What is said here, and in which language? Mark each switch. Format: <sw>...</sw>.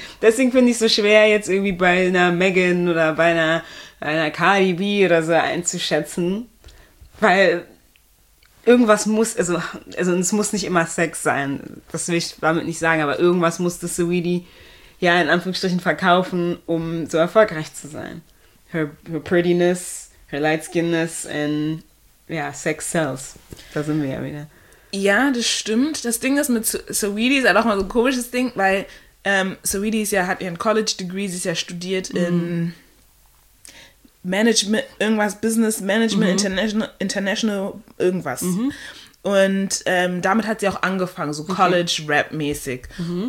<de>Deswegen finde ich es so schwer, jetzt irgendwie bei einer Megan oder bei einer Cardi B oder so einzuschätzen, weil irgendwas muss, also es muss nicht immer Sex sein, das will ich damit nicht sagen, aber irgendwas musste Saweetie ja in Anführungsstrichen verkaufen, um so erfolgreich zu sein.</de> <en>Her prettiness, her light skinness and yeah, sex sells.</en> <de>Da sind wir ja wieder. Ja, das stimmt. Das Ding ist mit Saweetie ist halt auch mal so ein komisches Ding, weil Saweetie ist ja, hat ihren College Degree, sie ist ja studiert in Management, irgendwas, Business Management, International, irgendwas. Mhm. Und damit hat sie auch angefangen, so College-Rap-mäßig. Mhm.</de>